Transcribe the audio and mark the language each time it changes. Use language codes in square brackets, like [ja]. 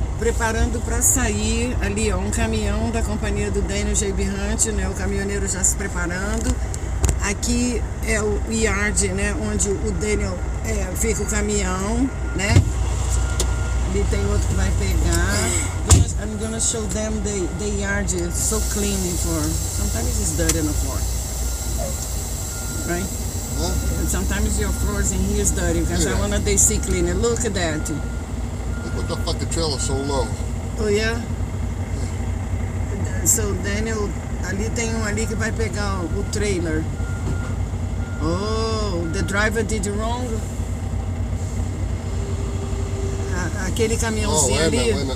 [pt] Preparando para sair ali, ó, um caminhão da companhia do Daniel J. B. Hunt, né? O caminhoneiro já se preparando. Aqui é o yard, né? Onde o Daniel fica o caminhão, né? Ali tem outro que vai pegar. [en] I'm gonna show them the yard. It's so clean before. Sometimes it's dirty on the floor. Right? Uh-huh. Sometimes your floors in here is dirty because I wanna they see clean. Look at that. They put the fucking trailer so low. Oh yeah? [pt] So Daniel, ali tem um ali que vai pegar o trailer. [en] Oh, the driver did wrong? [pt] Aquele caminhãozinho ali.